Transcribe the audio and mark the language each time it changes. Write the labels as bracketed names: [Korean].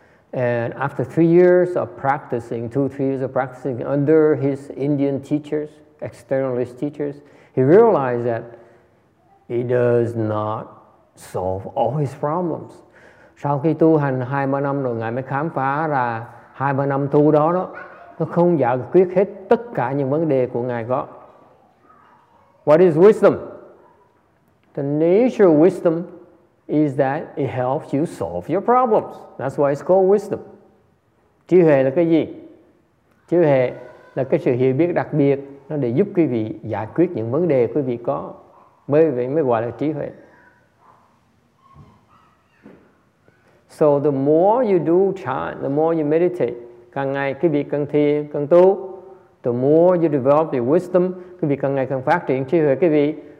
[English] And after 3 years of practicing, 2-3 years of practicing under his Indian teachers, externalist teachers, he realized that he does not solve all his problems. [Vietnamese] Sau khi tu hành 2-3 năm rồi, Ngài mới khám phá ra 2-3 năm tu đó, nó không giải quyết hết tất cả những vấn đề của Ngài có. [English] What is wisdom? The nature of wisdom is that it helps you solve your problems. That's why it's called wisdom. [Vietnamese] Trí huệ là cái gì? Trí huệ là cái sự hiểu biết đặc biệt, nó để giúp quý vị giải quyết những vấn đề quý vị có. Bởi vậy mới gọi là trí huệ. [English] So the more you do chant, the more you meditate, [Vietnamese] càng ngày quý vị càng thiền, càng tu, [English] the more you develop your wisdom, [Vietnamese] quý vị càng ngày càng phát triển trí huệ quý vị.